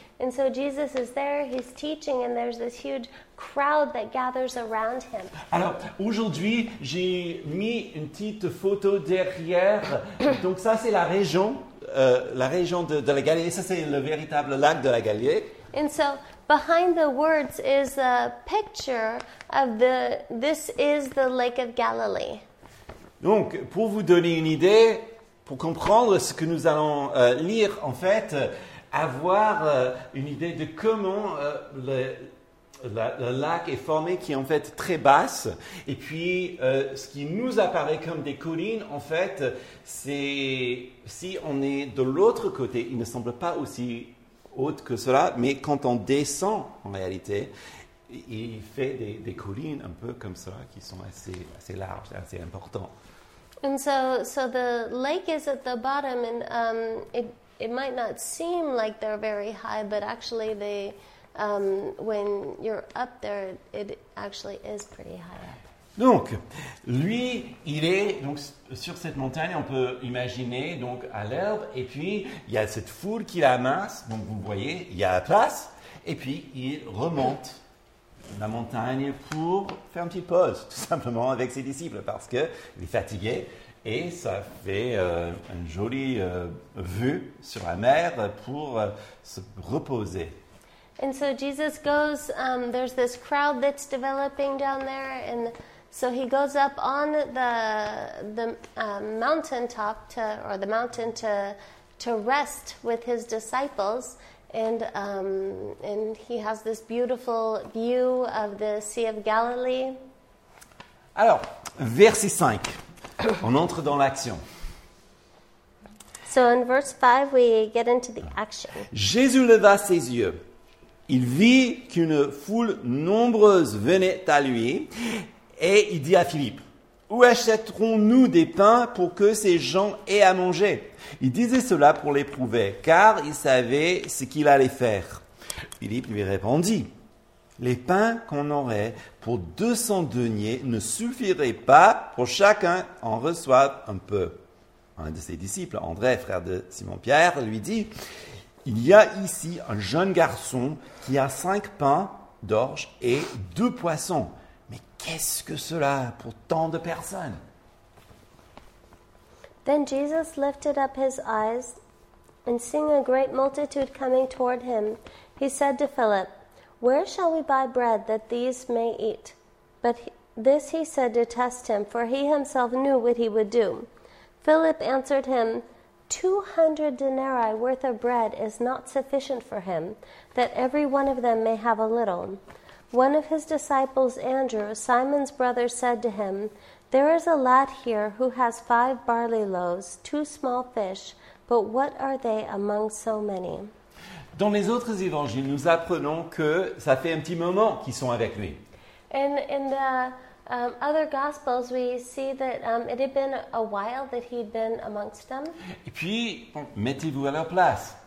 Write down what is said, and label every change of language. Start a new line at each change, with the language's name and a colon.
English: And so Jesus is there, he's teaching, and there's this huge crowd that gathers around him.
French: Alors, aujourd'hui, j'ai mis une petite photo derrière. Donc ça, c'est la région de la Galilée. Ça, c'est le véritable lac de la Galilée.
English: And so, behind the words is a picture of the, this is the Lake of Galilee.
French: Donc, pour vous donner une idée, pour comprendre ce que nous allons lire, en fait, avoir une idée de comment le lac est formé, qui est en fait très basse, et puis ce qui nous apparaît comme des collines, en fait, c'est, si on est de l'autre côté, il ne semble pas aussi haute que cela, mais quand on descend en réalité, il fait des collines un peu comme cela qui sont assez larges, assez importantes.
English: And so the lake is at the bottom, and it might not seem like they're very high, but actually they, when you're up there, it actually is pretty high up.
French: Donc, lui, il est donc sur cette montagne, on peut imaginer, donc à l'herbe, et puis il y a cette foule qui l'amasse, donc vous voyez, il y a la place, et puis il remonte la montagne pour faire une petite pause, tout simplement avec ses disciples, parce qu'il est fatigué, et ça fait une jolie vue sur la mer pour se reposer.
English: And so Jesus goes, there's this crowd that's developing down there, and so he goes up on the mountain to rest with his disciples, and he has this beautiful view of the Sea of Galilee.
French: Alors, verset 5, on entre dans l'action.
English: So in verse 5, we get into the action.
French: Jésus leva ses yeux. Il vit qu'une foule nombreuse venait à lui. Et il dit à Philippe, « Où achèterons-nous des pains pour que ces gens aient à manger ?» Il disait cela pour l'éprouver, car il savait ce qu'il allait faire. Philippe lui répondit, « Les pains qu'on aurait pour 200 deniers ne suffiraient pas pour chacun en reçoit un peu. » Un de ses disciples, André, frère de Simon-Pierre, lui dit, « Il y a ici un jeune garçon qui a 5 pains d'orge et 2 poissons. Mais qu'est-ce que cela pour tant de personnes ?»
English: Then Jesus lifted up his eyes, and seeing a great multitude coming toward him, he said to Philip, Where shall we buy bread that these may eat? But this he said to test him, for he himself knew what he would do. Philip answered him, 200 denarii worth of bread is not sufficient for him, that every one of them may have a little. One of his disciples, Andrew, Simon's brother, said to him, There is a lad here who has 5 barley loaves, 2 small fish, but what are they among so many?
French: Dans les autres évangiles, nous apprenons que ça fait un petit moment qu'ils sont avec lui.
English: In the other gospels, we see that it had been a while that he'd been amongst them.
French: Et puis, bon, mettez-vous à leur place.